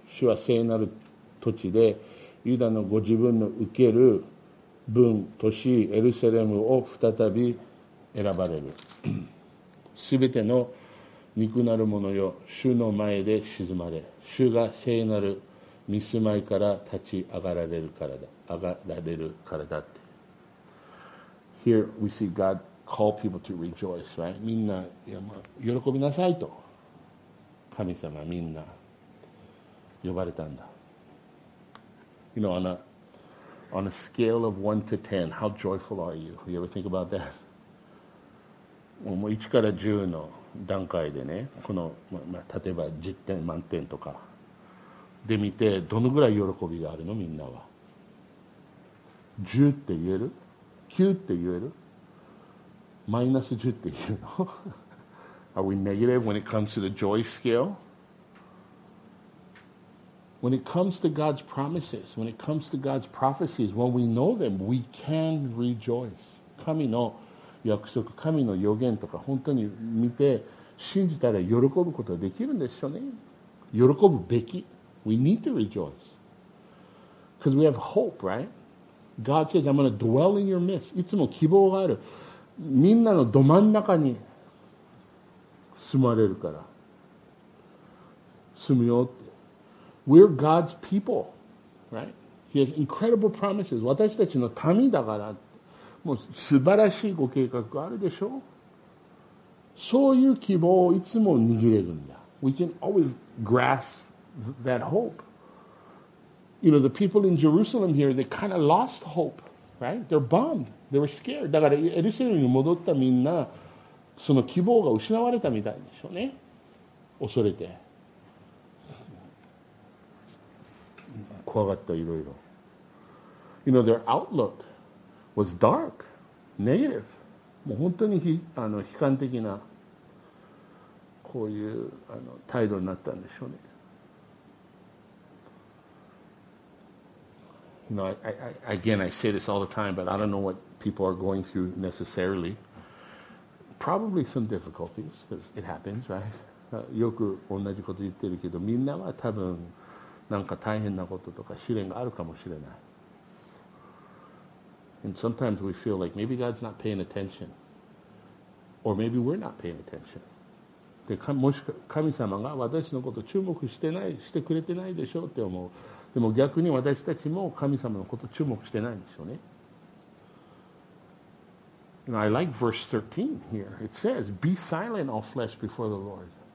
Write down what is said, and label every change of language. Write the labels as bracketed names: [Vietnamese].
[Japanese] 主は聖なる土地で、ユダのご自分の受ける分都市エルサレムを再び選ばれる。すべての肉なる者よ、主の前で静まれ。主が聖なる御住まいから立ち上がられるからだ、上がられるからだって。 [English] Here we see God call people to rejoice, right? [Japanese] みんな、いや、まあ、喜びなさいと。神様みんな呼ばれたんだ。 [English] You know, On a scale of 1 to 10, how joyful are you? You ever think about that? [Japanese] もう1から10の段階でね、この、まあ、例えば10点満点とかで見て、どのぐらい喜びがあるの、みんなは。 10って言える ?9 って言えるマイナス10って言うの [English] Are we negative when it comes to the joy scale? When it comes to God's promises, when it comes to God's prophecies, when we know them, we can rejoice. [Japanese] 神の約束、神の予言とか本当に見て信じたら喜ぶことができるんですよね。喜ぶべき。 [English] We need to rejoice. Because we have hope, right? God says, I'm going to dwell in your midst. [Japanese] いつも希望がある。みんなのど真ん中に住まれるから。住むよって。 [English] We're God's people, right? He has incredible promises. [Japanese] 私たちの民だから、もう素晴らしいご計画があるでしょう。そういう希望をいつも握れるんだ。 [English] We can always grasp that hope. You know, the people in Jerusalem here, they kind of lost hope, right? They're bummed. They were scared. [Japanese] だからエルサレムに戻ったみんな、その希望が失われたみたいでしょうね。恐れて。怖かった、いろいろ。 [English] You know, their outlook was dark, negative. [Japanese] もう本当に悲観的な、こういう態度になったんでしょうね。 [English] You know, I say this all the time, but I don't know what people are going through necessarily. Probably some difficulties, because it happens, right? [Japanese] よく同じこと言ってるけど、みんなは多分、なんか大変なこととか試練があるかもしれない。 [English] And sometimes we feel like maybe God's not paying attention. Or maybe we're not paying attention. [Japanese] で、もしか神様が私のこと注目してない、してくれてないでしょうって思う。でも逆に私たちも神様のこと注目してないんでしょうね。 [English] You know, I like verse 13 here. It says, Be silent, all flesh, before the Lord.